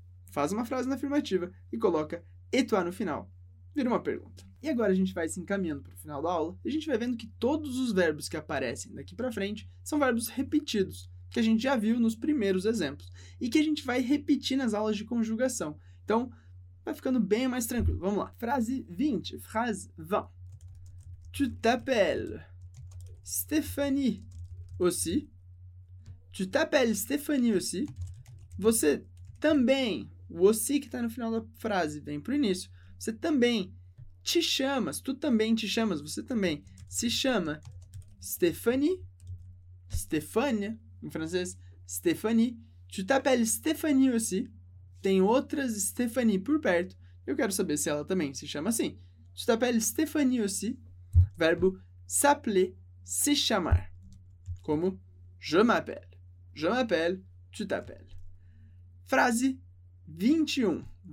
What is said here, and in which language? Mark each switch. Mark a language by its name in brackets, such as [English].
[Portuguese] Faz uma frase na afirmativa e coloca [French] et toi [Portuguese] no final. Vira uma pergunta. E agora a gente vai se encaminhando para o final da aula e a gente vai vendo que todos os verbos que aparecem daqui para frente são verbos repetidos, que a gente já viu nos primeiros exemplos e que a gente vai repetir nas aulas de conjugação. Então, vai ficando bem mais tranquilo. Vamos lá. Frase 20. Frase 20. [French] Tu t'appelles Stéphanie aussi? Tu t'appelles Stéphanie aussi? [Portuguese] Você também... O aussi que está no final da frase vem para o início. Você também... Te chamas, tu também te chamas, você também se chama Stéphanie, Stéphanie, em francês, Stéphanie. [French] Tu t'appelles Stéphanie aussi? [Portuguese] Tem outras Stéphanie por perto. Eu quero saber se ela também se chama assim. [French] Tu t'appelles Stéphanie aussi? [Portuguese] Verbo s'appeler, se chamar. [French] Como je m'appelle, je m'appelle, tu t'appelles. [Portuguese] Frase 21.